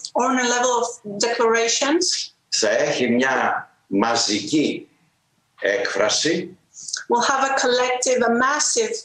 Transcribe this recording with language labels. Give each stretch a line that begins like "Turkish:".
English: or on a level of declarations
Greek: θα έχει μια μαζική έκφραση
English: will have a collective, a massive